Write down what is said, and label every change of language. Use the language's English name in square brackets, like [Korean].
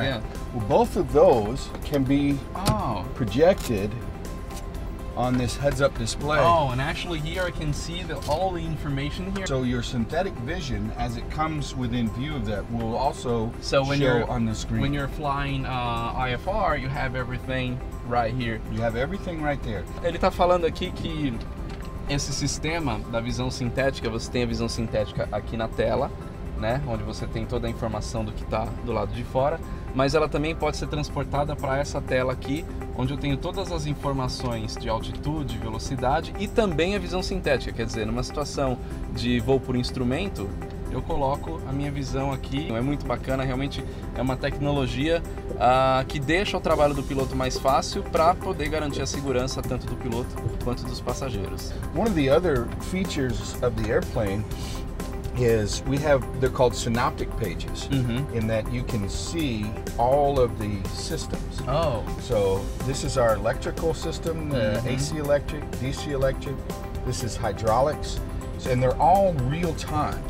[English] Well, both of those can be projected on this heads-up display. Oh, and actually here I can see all the information here. So your synthetic vision, as it comes within view of that, will also show on the screen. When you're flying IFR, you have everything right here. You have everything right there. [Portuguese] Ele tá falando aqui que esse sistema da visão sintética, você tem a visão sintética aqui na tela, né, onde você tem toda a informação do que tá do lado de fora, mas ela também pode ser transportada para essa tela aqui, onde eu tenho todas as informações de altitude, velocidade e também a visão sintética. Quer dizer, numa situação de voo por instrumento, eu coloco a minha visão aqui. É muito bacana, realmente é uma tecnologia que deixa o trabalho do piloto mais fácil para poder garantir a segurança tanto do piloto quanto dos passageiros. [English] One of the other features of the airplane is we have, they're called synoptic pages, in that you can see all of the systems. Oh. So this is our electrical system, AC electric, DC electric, this is hydraulics, and they're all real time.